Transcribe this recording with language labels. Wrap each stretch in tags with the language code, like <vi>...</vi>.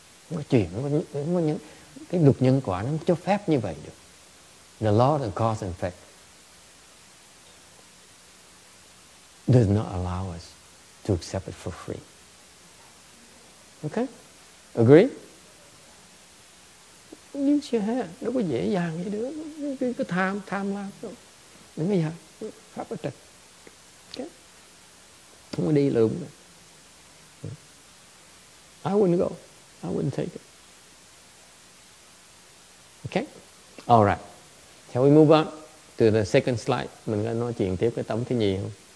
<vi>Không có những cái luật nhân quả nó cho phép như vậy được.</vi> <en>The law of cause and effect does not allow us to accept it for free. Okay? Agree?</en> <vi>Nhưng chưa hết, đâu có dễ dàng gì được. Cứ tham lam. Đừng có dàng. Pháp ở trật. Okay? Không có đi lượm.</vi> <en>I wouldn't go. I wouldn't take it. Okay? All right. Shall we move on to the second slide?</en> <vi>Mình có nói chuyện tiếp cái tấm thứ nhì không?</vi>